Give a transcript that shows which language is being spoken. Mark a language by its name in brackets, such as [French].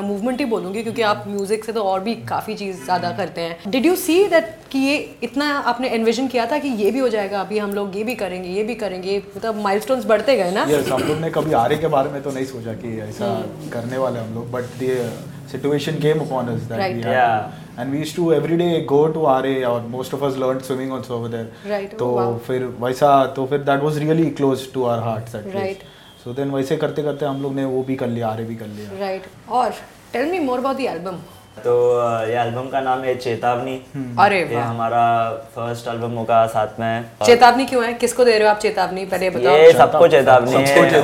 [Hindi] मैं मूवमेंट ही बोलूंगी क्योंकि आप म्यूजिक से तो और भी काफी चीज ज्यादा करते हैं. [English] did you see that [Hindi] कि ये इतना आपने एनविजन किया था कि ये भी हो जाएगा अभी हम लोग ये भी करेंगे मतलब माइलस्टोन्स बढ़ते गए ना. यस हम लोग ने कभी आरे के बारे में तो नहीं सोचा कि ऐसा करने वाले हम लोग [English] But the situation came upon us that we या and we used to every day go to RA or most of us learned swimming also over there. Right. So, [Hindi] फिर वैसा तो फिर [English] that was really close to our hearts at least. [Hindi] So then वैसे करते करते हम लोग ने वो भी कर लिया, RA भी कर लिया. [English] Right. [Hindi] और [English] tell me more about the album. [Hindi] तो ये album का नाम है चेतावनी. अरे ये हमारा first album होगा साथ में. चेतावनी क्यों है, किसको दे रहे हो आप चेतावनी पहले बताओ. ये सबको चेतावनी है,